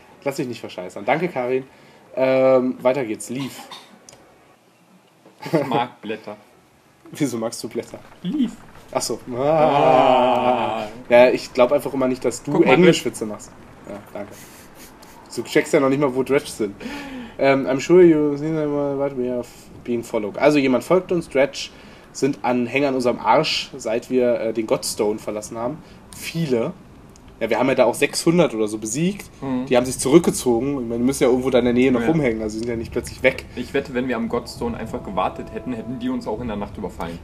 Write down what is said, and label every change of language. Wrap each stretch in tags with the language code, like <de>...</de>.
<de>Lass dich nicht verscheißern. Danke, Karin. Weiter geht's. Leaf. Ich mag Blätter. Wieso magst du Blätter?</de> <en>Leaf.</en> <de>Achso. Ah. Ja, ich glaube einfach immer nicht, dass du Englischwitze machst. Ja, danke. Du checkst ja noch nicht mal, wo Dredge sind.</de> <en>I'm sure you see that we are being followed.</en> <de>Also jemand folgt uns, Dredge sind Anhänger an unserem Arsch, seit wir den Godstone verlassen haben. Viele. Ja, wir haben ja da auch 600 oder so besiegt. Die haben sich zurückgezogen. Ich meine, die müssen ja irgendwo da in der Nähe noch rumhängen, also sind ja nicht plötzlich weg. Ich wette, wenn wir am Godstone einfach gewartet hätten, hätten die uns auch in der Nacht überfallen.</de>